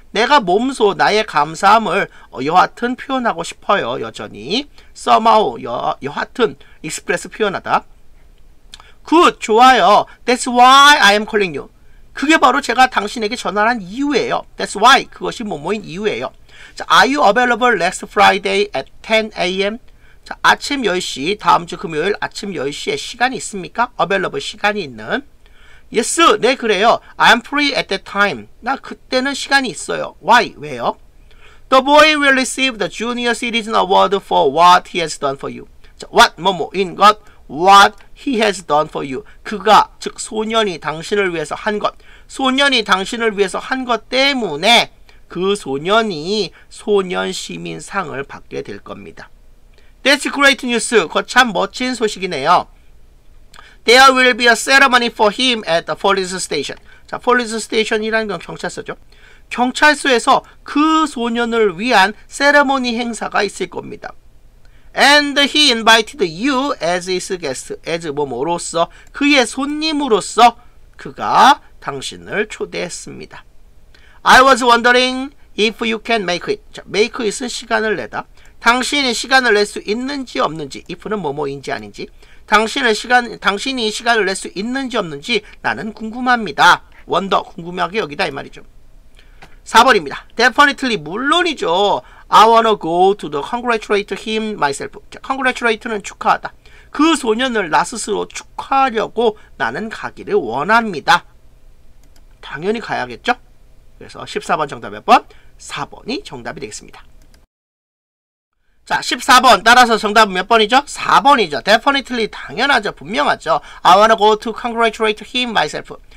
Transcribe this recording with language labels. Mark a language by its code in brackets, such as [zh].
[ko] 내가 몸소 나의 감사함을 여하튼 표현하고 싶어요. 여전히. [en] Somehow, [ko] 여하튼 express 표현하다. [en] Good, [ko] 좋아요. [en] That's why I am calling you. [ko] 그게 바로 제가 당신에게 전화를 한 이유예요. [en] That's why, [ko] 그것이 뭐뭐인 이유예요. [en] 자, are you available next Friday at 10 a.m.? [ko] 자, 아침 10시, 다음 주 금요일 아침 10시에 시간이 있습니까? Available, 시간이 있는. [en] Yes, [ko] 네, 그래요. [en] I'm free at that time. [ko] 나 그때는 시간이 있어요. [en] Why? [ko] 왜요? [en] The boy will receive the Junior Citizen Award for what he has done for you. 자, what, [ko] 뭐뭐, [en] in God, what he has done for you. [ko] 그가, 즉 소년이 당신을 위해서 한 것. 소년이 당신을 위해서 한 것 때문에 그 소년이 소년 시민상을 받게 될 겁니다. [en] That's great news. [ko] 그거 참 멋진 소식이네요. [en] There will be a ceremony for him at the police station. [ko] 자, [en] police station [ko] 이라는 건 경찰서죠. 경찰서에서 그 소년을 위한 세레모니 행사가 있을 겁니다. [en] And he invited you as his guest. [ko] As 뭐뭐로서 그의 손님으로서 그가 당신을 초대했습니다. [en] I was wondering if you can make it. [ko] 자, [en] make it [ko] 은 시간을 내다. 당신이 시간을 낼 수 있는지 없는지, if는 뭐뭐인지 아닌지, 당신이 시간을 낼 수 있는지 없는지 나는 궁금합니다. wonder, 궁금하게 여기다 이 말이죠. 4번입니다. [en] definitely, [ko] 물론이죠. [en] I wanna go to the congratulate him myself. [ko] 자, [en] congratulate [ko] 는 축하하다. 그 소년을 나 스스로 축하하려고 나는 가기를 원합니다. 당연히 가야겠죠? 그래서 14번 정답 몇 번? 4번이 정답이 되겠습니다. 자, 14번. 따라서 정답은 몇 번이죠? 4번이죠. [en] Definitely, [ko] 당연하죠. 분명하죠. [en] I wanna go to congratulate him myself.